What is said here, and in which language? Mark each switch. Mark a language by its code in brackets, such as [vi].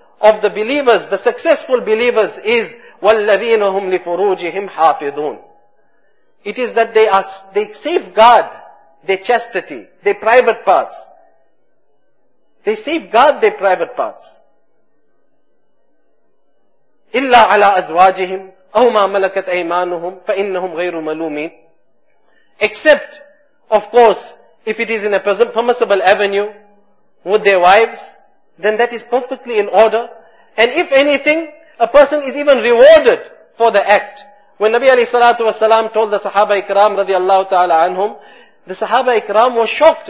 [en] Of the believers, the successful believers, is [ar] وَالَّذِينَ هُمْ لِفُرُوجِهِمْ حَافِظُونَ. [en] It is that they safeguard their chastity, their private parts. They safeguard their private parts. [ar] إلا على أزواجهم أو ما ملكت أيمانهم فإنهم غير ملومين. [en] Except, of course, if it is in a permissible avenue with their wives, then that is perfectly in order. And if anything, a person is even rewarded for the act. When Nabi alayhi salatu wasalam told the Sahaba ikram radiallahu ta'ala anhum, the Sahaba ikram was shocked.